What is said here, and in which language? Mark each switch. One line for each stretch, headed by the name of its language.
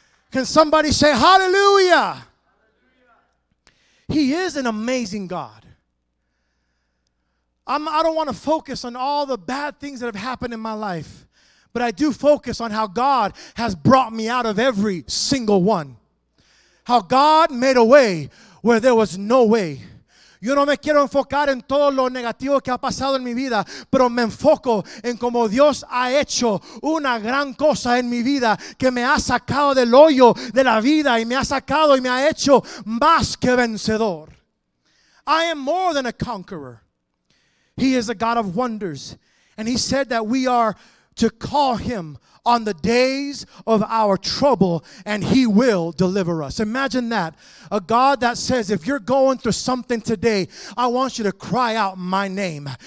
English: Can somebody say hallelujah? Hallelujah. He is an amazing God. I don't want to focus on all the bad things that have happened in my life. But I do focus on how God has brought me out of every single one. How God made a way where there was no way.
Spanish: Yo no me quiero enfocar en todo lo negativo que ha pasado en mi vida, pero me enfoco en cómo Dios ha hecho una gran cosa en mi vida que me ha sacado del hoyo de la vida y me ha sacado y me ha hecho más que vencedor.
English: I am more than a conqueror. He is a God of wonders. And he said that we are to call him on the days of our trouble, and he will deliver us. Imagine that, a God that says, if you're going through something today, I want you to cry out my name.